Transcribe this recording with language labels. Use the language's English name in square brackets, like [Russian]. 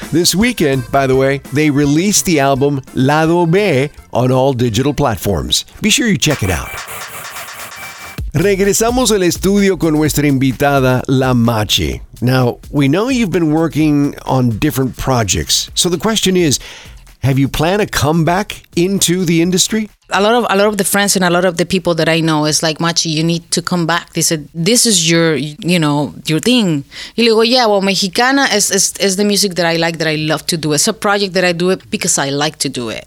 [English] This weekend, by the way, they released the album Lado B on all digital platforms. Be sure you check it out. [Spanish] Regresamos al estudio con nuestra invitada, La Machi. [English] Now, we know you've been working on different projects. So the question is, have you planned a comeback into the industry? A lot of the friends and a lot of the people that I know is like, Machi, you need to come back. They said, this is your, you know, your thing. [Spanish] Y le digo, [English] yeah, well, Mexicana is the music that I like, that I love to do. It's a project that I do it because I like to do it.